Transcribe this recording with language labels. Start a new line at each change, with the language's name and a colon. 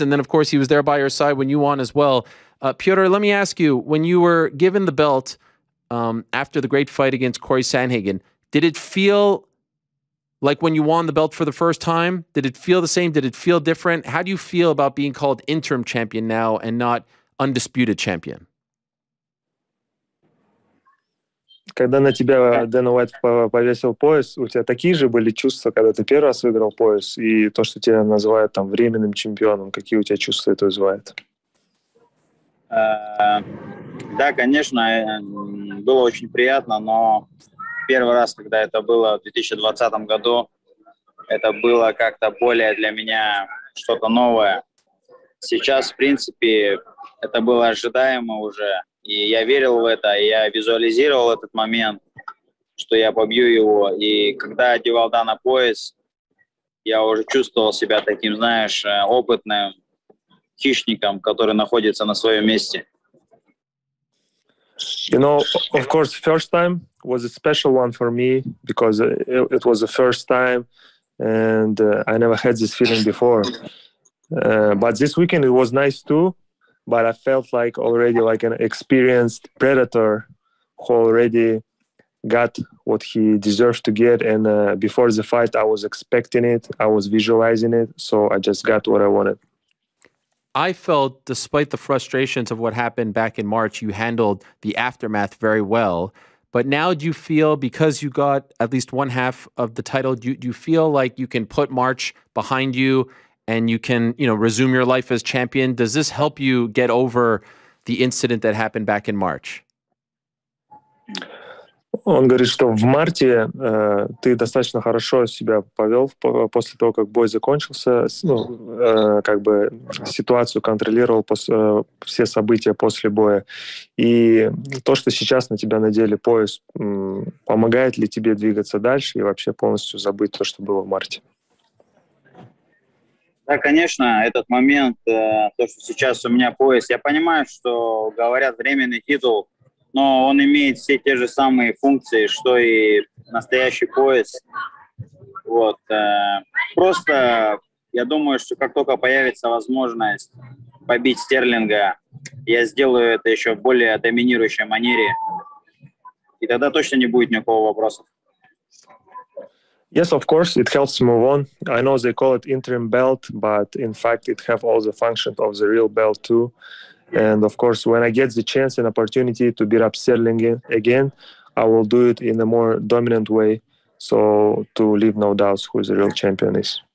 English: And then, of course, he was there by your side when you won as well. Petr, let me ask you, when you were given the belt after the great fight against Cory Sandhagen, did it feel like when you won the belt for the first time? Did it feel the same? Did it feel different? How do you feel about being called interim champion now and not undisputed champion?
Russian: Когда на тебя Дэна Уайт повесил пояс, у тебя такие же были чувства, когда ты первый раз выиграл пояс, и то, что тебя называют там временным чемпионом, какие у тебя чувства это вызывает? Да, конечно, было очень приятно, но первый раз, когда это было в 2020 году, это было как-то более для меня что-то новое. Сейчас, в принципе, это было ожидаемо уже. И я верил в это, и я визуализировал этот момент, что я побью его. И когда одевал Дана пояс, я уже чувствовал себя таким, знаешь, опытным хищником, который находится на своем месте.
English: You know, of course, first time was a special one for me, because it was the first time, and I never had this feeling before. But this weekend it was nice too. But I felt like already like an experienced predator who already got what he deserved to get. And before the fight, I was expecting it. I was visualizing it. So I just got what I wanted. I felt, despite the frustrations of what happened back in March, you handled the aftermath very well. But now do you feel, because you got at least one half of the title, do you feel like you can put March behind you and you can, you know, resume your life as champion? Does this help you get over the incident that happened back in March?
Russian: Он говорит, что в марте ты достаточно хорошо себя повел после того, как бой закончился, ну, как бы ситуацию контролировал все события после боя. И то, что сейчас на тебя надели пояс, помогает ли тебе двигаться дальше и вообще полностью забыть то, что было в марте? Да, конечно, этот момент, то, что сейчас у меня пояс, я понимаю, что говорят временный титул, но он имеет все те же самые функции, что и настоящий пояс. Вот, просто я думаю, что как только появится возможность побить Стерлинга, я сделаю это еще в более доминирующей манере, и тогда точно не будет никакого вопроса.
English: Yes, of course, it helps to move on. I know they call it interim belt, but in fact, it have all the functions of the real belt too. And of course, when I get the chance and opportunity to beat up Sterling again, I will do it in a more dominant way, so to leave no doubts who the real champion is.